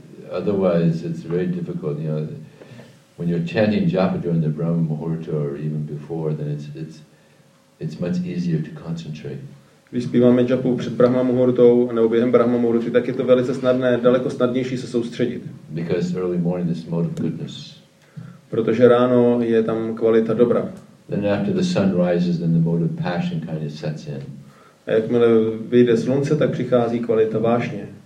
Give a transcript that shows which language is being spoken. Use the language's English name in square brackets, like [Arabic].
[English] Otherwise it's very difficult, you know, when you're chanting japa during the Brahma Muhurta or even before, then it's much easier to concentrate. [Czech] Když zpíváme japu před Brahma Muhurtou nebo během Brahma Muhurty, tak je to velice snadné, daleko snadnější se soustředit. [English] Because early morning is mode of goodness. [Czech] Protože ráno je tam kvalita dobra. [English] Then after the sun rises, then the mode of passion kind of sets in. [Czech] A jakmile vyjde slunce, tak přichází kvalita vášně.